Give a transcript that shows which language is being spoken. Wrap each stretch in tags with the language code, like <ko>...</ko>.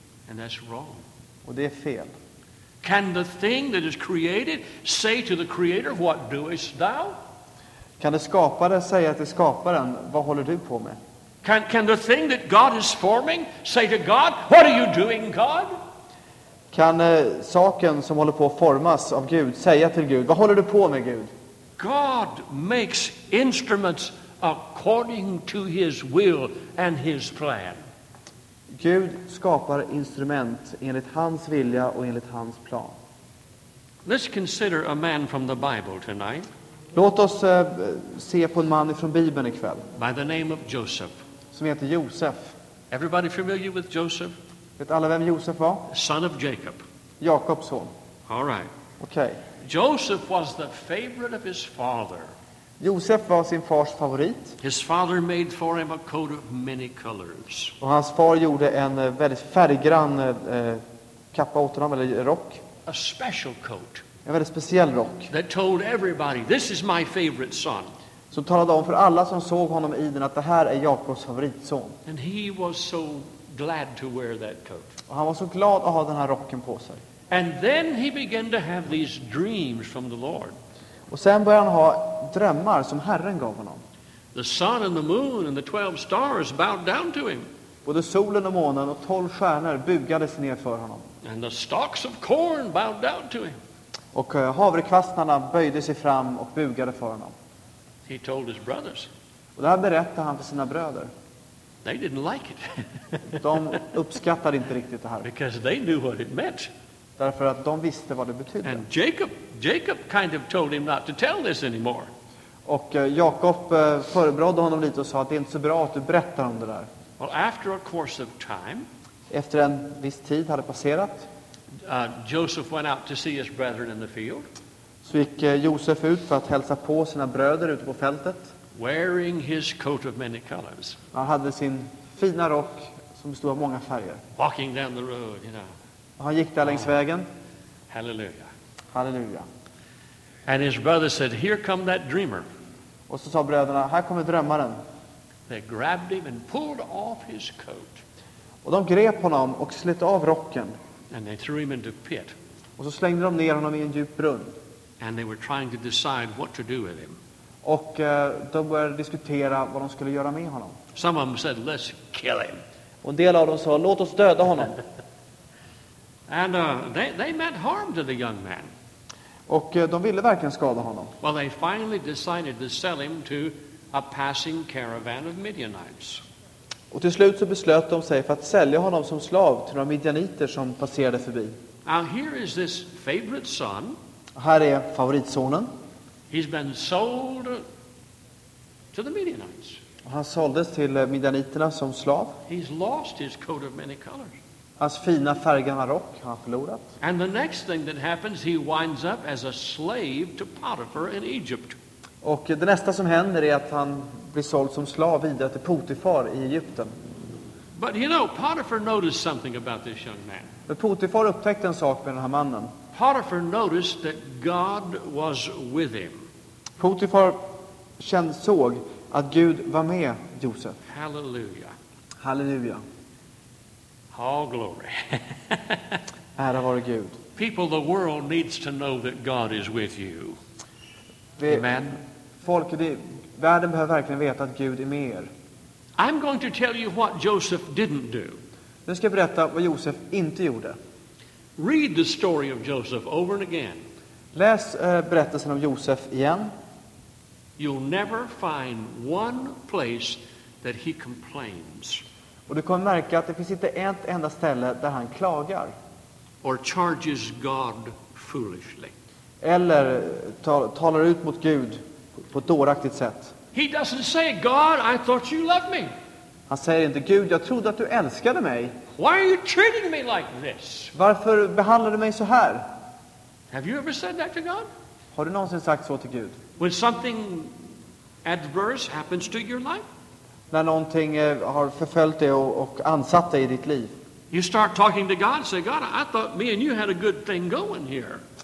<en>And that's wrong.</en> <sv>Och det är fel.</sv> <en>Can the thing that is created say to the creator, what doest thou?</en> <sv>Kan det skapade säga till skaparen, vad håller du på med?</sv> <en>Can the thing that God is forming say to God, what are you doing, God?</en> <sv>Kan saken som håller på att formas av Gud säga till Gud, vad håller du på med, Gud?</sv> <en>God makes instruments according to his will and his plan.</en> <sv>Gud skapar instrument enligt hans vilja och enligt hans plan.</sv> <en>Let's consider a man from the Bible tonight.</en> <sv>Låt oss se på en man ifrån Bibeln ikväll.</sv> <en>By the name of Joseph.</en> <sv>Som heter Josef.</sv> <en>Everybody familiar with Joseph?</en> <sv>Vet alla vem Josef var?</sv> <en>Son of Jacob.</en> <sv>Jakobs son.</sv> <en>All right.</en> <sv>Okej.</sv> <en>Joseph was the favorite of his father.</en> <sv>Josef var sin fars favorit.</sv> <en>His father made for him a coat of many colors.</en> <sv>Och hans far gjorde en väldigt färggrann kappa åt honom, eller rock.</sv> <en>A special coat.</en> <sv>En väldigt speciell rock.</sv> <en>That told everybody, this is my favorite son.</en> <sv>Som talade om för alla som såg honom i den att det här är Jakobs favoritson.</sv> <en>And he was so glad to wear that coat.</en> <sv>Och han var så glad att ha den här rocken på sig.</sv> <en>And then he began to have these dreams from the Lord.</en> <sv>Och sen började han ha drömmar som Herren gav honom.</sv> <en>The sun and the moon and the 12 stars bowed down to him.</en> <sv>Både solen och månen och 12 stjärnor bugades ner för honom.</sv> <en>And the stalks of corn bowed down to him.</en> <sv>Och havrekvastarna böjde sig fram och bugade för honom.</sv> <en>He told his brothers.</en> <sv>Och det här berättade han för sina bröder.</sv> <en>They didn't like it.</en> <sv>De uppskattade inte riktigt det här.</sv> <en>Because they knew what it meant.</en> <sv>Därför att de visste vad det betydde.</sv> <en>And Jacob kind of told him not to tell this anymore.</en> <sv>Och Jakob förebrådde honom lite och sa att det är inte så bra att du berättar om det där.</sv> <en>Well, after a course of time,</en> <sv>efter en viss tid hade passerat,</sv> <en>Joseph went out to see his brethren in the field.</en> <sv>Så gick Josef ut för att hälsa på sina bröder ute på fältet.</sv> <en>Wearing his coat of many colors.</en> <sv>Han hade sin fina rock som bestod av många färger.</sv> <en>Walking down the road, you know.</en> <sv>Och han gick där längs vägen.</sv> <en>Halleluja.</en> <sv>Halleluja.</sv> <en>And his brother said, "Here come that dreamer."</en> <sv>Och så sa bröderna, "Här kommer drömmaren."</sv> <en>They grabbed him and pulled off his coat.</en> <sv>Och de grep honom och slet av rocken.</sv> <en>And they threw him into a pit.</en> <sv>Och så slängde de ner honom i en djup brunn.</sv> <en>And they were trying to decide what to do with him.</en> <sv>Och de började diskutera vad de skulle göra med honom.</sv> <en>Some of them said, "Let's kill him."</en> <sv>Och en del av dem sa, "Låt oss döda honom."</sv> <en>And they meant harm to the young man.</en> <sv>Och de ville verkligen skada honom.</sv> <en>Well, they finally decided to sell him to a passing caravan of Midianites.</en> <sv>Och till slut så beslöt de sig för att sälja honom som slav till några midjaniter som passerade förbi.</sv> <en>Now here is this favorite son.</en> <sv>Här är favoritsonen.</sv> <en>He's been sold to the Midianites.</en> <sv>Och han såldes till midjaniterna som slav.</sv> <en>He's lost his coat of many colors.</en> <sv>Hans fina färgarna rock har förlorat.</sv> <en>And the next thing that happens, he winds up as a slave to Potiphar in Egypt.</en> <sv>Och det nästa som händer är att han blir såld som slav vidare till Potifar i Egypten.</sv> <en>But you know, Potiphar noticed something about this young man.</en> <sv>Men Potifar upptäckte en sak med den här mannen.</sv> <en>Potiphar noticed that God was with him.</en> <sv>Potifar såg att Gud var med Josef.</sv> <en>Halleluja.</en> <sv>Halleluja.</sv> <en>All glory.</en> <sv>Ära vare Gud.</sv> <en>People, the world needs to know that God is with you. Amen.</en> <sv>Folk, världen behöver verkligen veta att Gud är med er.</sv> <en>I'm going to tell you what Joseph didn't do.</en> <sv>Nu ska jag berätta vad Josef inte gjorde.</sv> <en>Read the story of Joseph over and again.</en> <sv>Läs berättelsen om Josef igen.</sv> <en>You'll never find one place that he complains.</en> <sv>Och du kommer märka att det finns inte ett enda ställe där han klagar.</sv> <en>Or charges God foolishly.</en> <sv>Eller talar ut mot Gud på ett dåraktigt sätt.</sv> <en>He doesn't say, "God, I thought you loved me."</en> <sv>Han säger inte, "Gud, jag trodde att du älskade mig."</sv> <en>Why are you treating me like this?</en> <sv>Varför behandlar du mig så här?</sv> <en>Have you ever said that to God?</en> <sv>Har du någonsin sagt så till Gud?</sv> <en>When something adverse happens to your life?</en> <sv>När någonting har förföljt dig och ansatt dig i ditt liv.</sv> <en>You start talking to God, say, "God, I thought me and you had a good thing going here."</en>